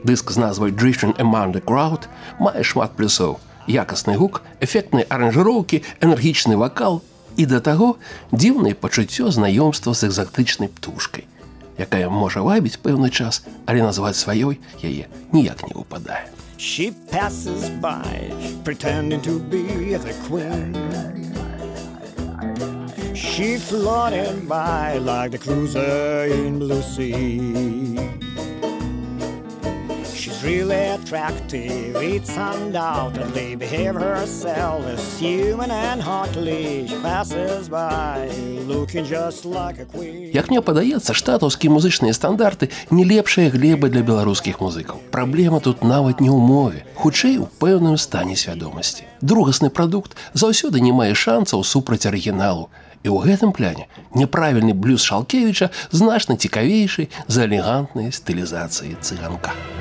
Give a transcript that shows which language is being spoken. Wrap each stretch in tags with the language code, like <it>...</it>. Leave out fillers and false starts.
<be>Дыск з назвай «Drifting Among the Crowd» мае шмат плюсаў. Якасны гук, эфектныя аранжыроўкі, энергічны вакал і, да таго, дзіўнае пачуццё знаёмства з экзатычнай птушкай, якая можа вабіць пэўны час, але назваць сваёй яе ніяк не выпадае.</be> <en>She passes by, pretending to be the queen. She floated by like the cruiser in blue sea. She's really attractive, it's undoubtedly. Behave herself as human and hotly. She passes by looking just like a queen.</en> <be>Як мне падаецца, штатаўскія музычныя стандарты не лепшая глеба для беларускіх музыкаў. Праблема тут нават не ў мове, хутчэй у пэўным стане свядомасці. Другасны прадукт заўсёды не мае шанцаў супраць арыгіналу. І ў гэтым пляне неправільны блюз Шалкевіча значна цікавейшы за элегантныя стылізацыі Цыганка.</be>